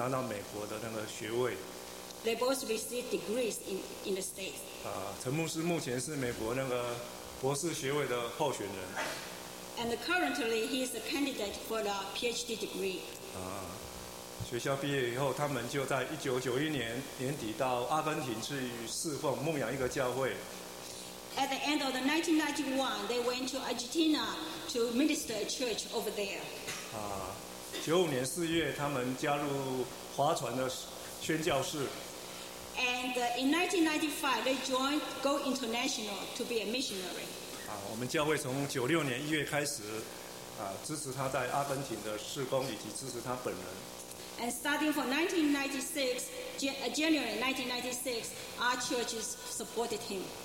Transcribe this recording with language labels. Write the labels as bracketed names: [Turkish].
[Chinese] 陈牧师师母都拿到美国的那个学位。 [English] They both received degrees in the States. [Chinese] 陈牧师目前是美国那个博士学位的候选人。 [English] And currently, he is a candidate for the PhD degree. [Chinese] 学校毕业以后，他们就在1991年年底到阿根廷去侍奉牧养一个教会。 [English] At the end of the 1991, they went to Argentina to minister a church over there. [Chinese] 95年4月，他们加入划船的宣教士。 [English] And in 1995, they joined Go International to be a missionary. [Chinese] 我们教会从96年1月开始。支持他在阿根廷的事工，以及支持他本人。 [English] And starting from 1996, January 1996, our churches supported him.